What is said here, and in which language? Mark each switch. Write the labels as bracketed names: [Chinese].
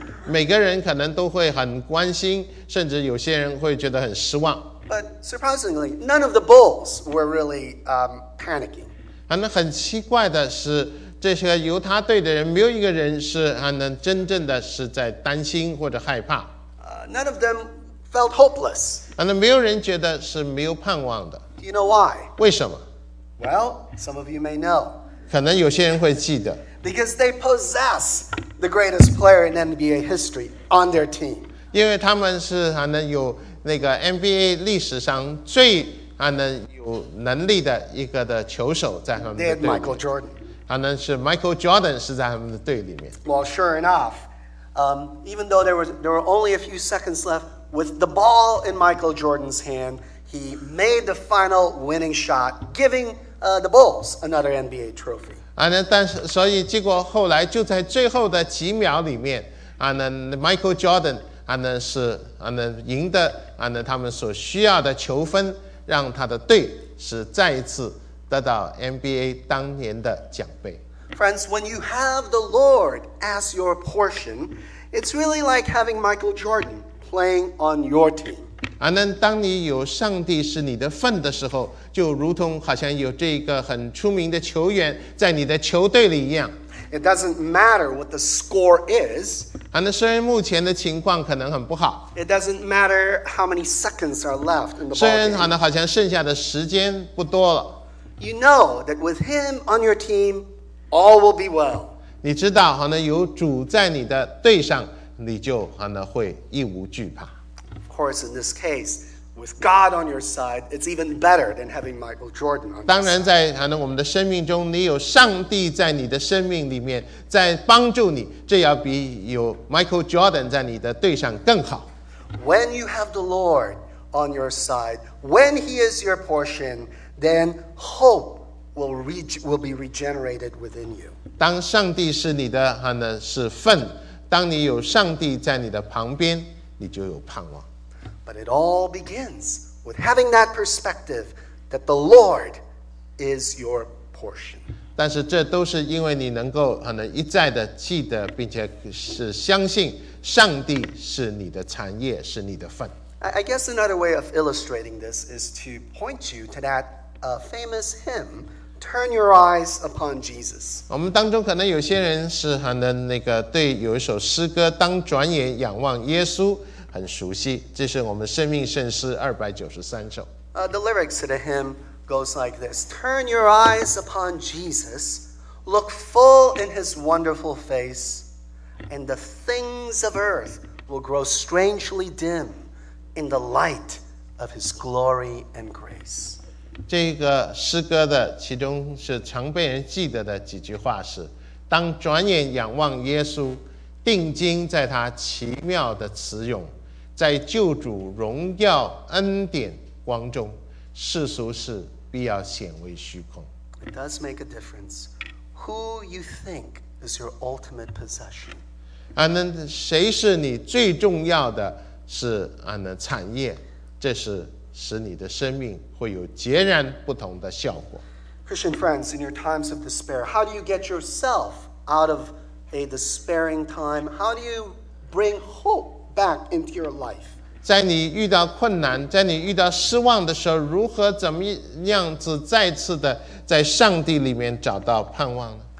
[Chinese] 每个人可能都会很关心，甚至有些人会觉得很失望。 [English] But surprisingly, none of the Bulls were really panicking. [Chinese] 很奇怪的是，这些犹他队的人没有一个人是真正的是在担心或者害怕。 [English] None of them felt hopeless. [Chinese] 没有人觉得是没有盼望的。 [English] Do you know why? [Chinese] 为什么？ [English] Well, some of you may know. [Chinese] 可能有些人会记得。 [English] Because they possess the greatest player in NBA history on their team. [Chinese] 因为他们是有那个 NBA 历史上最有能力的一个的球手在他们的队里面。 [English] They had Michael Jordan. [Chinese] 是 Michael Jordan 是在他们的队里面。 [English] Well, sure enough, even though there were only a few seconds left with the ball in Michael Jordan's hand,He made the final winning shot, giving the Bulls another NBA trophy. [Chinese] 但是所以结果后来就在最后的几秒里面 Michael Jordan 是赢得他们所需要的球分，让他的队是再一次得到 NBA 当年的奖杯。 [English] Friends, when you have the Lord as your portion, it's really like having Michael Jordan playing on your team. [Chinese] 当你有上帝是你的份的时候，就如同好像有这个很出名的球员在你的球队里一样。 [English] It doesn't matter what the score is. [Chinese] 虽然目前的情况可能很不好。 [English] It doesn't matter how many seconds are left in the ball game. [Chinese] 虽然好像剩下的时间不多了。 [English] You know that with him on your team, all will be well. [Chinese] 你知道有主在你的队上，你就会一无惧怕。 [English] Of course, in this case, with God on your side, it's even better than having Michael Jordan on your side. [Chinese] 当然在我们的生命中，你有上帝在你的生命里面，在帮助你，这要比有 Michael Jordan 在你的队上更好。 [English] When you have the Lord on your side, when he is your portion, then hope will be regenerated within you. [Chinese] 当上帝是你的是份，当你有上帝在你的旁边，你就有盼望。 [English] But it all begins with having that perspective that the Lord is your portion. [Chinese] 但是这都是因为你能够一再的记得，并且是相信上帝是你的产业，是你的份。 [English] I guess another way of illustrating this is to point you to that famous hymn, "Turn Your Eyes Upon Jesus." [Chinese] 我们当中可能有些人是那个对有一首诗歌，当转眼仰望耶稣。很熟悉，这是我们《生命圣诗》293首。 [English] The lyrics to the hymn goes like this: Turn your eyes upon Jesus, look full in His wonderful face, and the things of earth will grow strangely dim in the light of His glory and grace. [Chinese] 这个诗歌的其中是常被人记得的几句话是：当转眼仰望耶稣。定睛在他奇妙的慈容，在救主荣耀恩典光中，世俗事必要显为虚空。 [English] It does make a difference who you think is your ultimate possession. [Chinese] 谁是你最重要的是产业，这是使你的生命会有截然不同的效果。 [English] Christian friends, in your times of despair, how do you get yourself out of a despairing time, how do you bring hope back into your life? [Chinese] 在你遇到困难，在你遇到失望的时候，如何怎么样子再次的在上帝里面找到盼望呢？